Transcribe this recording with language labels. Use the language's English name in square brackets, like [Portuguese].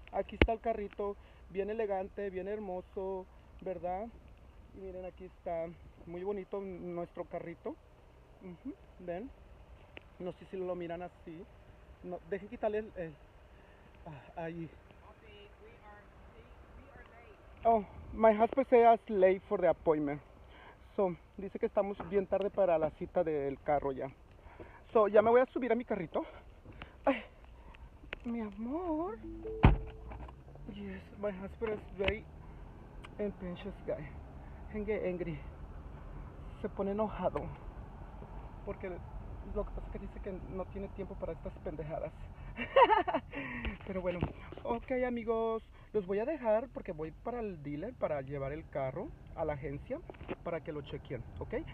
[Spanish] Aquí está el carrito, bien elegante, bien hermoso, ¿verdad? Y miren, aquí está muy bonito nuestro carrito. ¿Ven? No sé si lo miran así. No, dejen quitarle el ahí. Oh. [English] My husband says late for the appointment. [Spanish] So, dice que estamos bien tarde para la cita del carro ya. So, ya me voy a subir a mi carrito. Ay, mi amor. [English] Yes, my husband is very impatient guy. Angry. [Spanish] Se pone enojado. Porque lo que pasa es que dice que no tiene tiempo para estas pendejadas. Pero bueno, ok, amigos. Los voy a dejar porque voy para el dealer para llevar el carro a la agencia para que lo chequen, ¿ok?